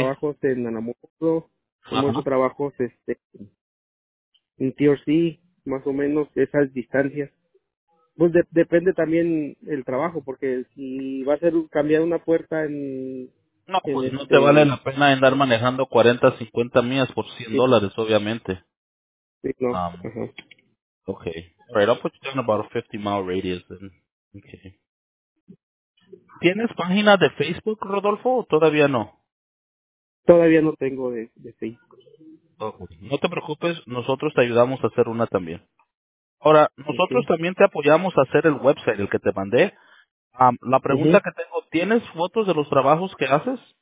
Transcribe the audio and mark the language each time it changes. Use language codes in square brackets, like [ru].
[es] trabajos en Anamoto, hemos hecho trabajos en TRC, más o menos, esas distancias. Pues depende también el trabajo, porque si va a ser cambiar una puerta en... No, pues no te vale la pena andar manejando 40, 50 millas por 100 sí. dólares, obviamente. Sí, no. Okay. [en] All right, I'll put you down about a 50-mile radius then. Okay. [es] ¿Tienes página de Facebook, Rodolfo, o todavía no? Todavía no tengo de Facebook. Okay. No te preocupes, nosotros te ayudamos a hacer una también. Ahora, nosotros sí. también te apoyamos a hacer el website, el que te mandé. La pregunta uh-huh. que tengo, ¿tienes fotos de los trabajos que haces?